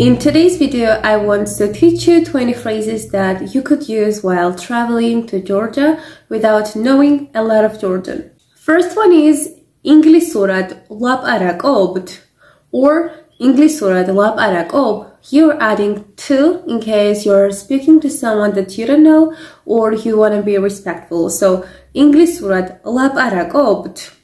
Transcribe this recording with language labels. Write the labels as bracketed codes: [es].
[en] In today's video, I want to teach you 20 phrases that you could use while traveling to Georgia without knowing a lot of Georgian. First one is [ka] ინგლისურად ლაპარაკობთ [en] or [ka] ინგლისურად ლაპარაკობ. [en] You're adding to in case you're speaking to someone that you don't know or you want to be respectful. So [ka] ინგლისურად ლაპარაკობთ.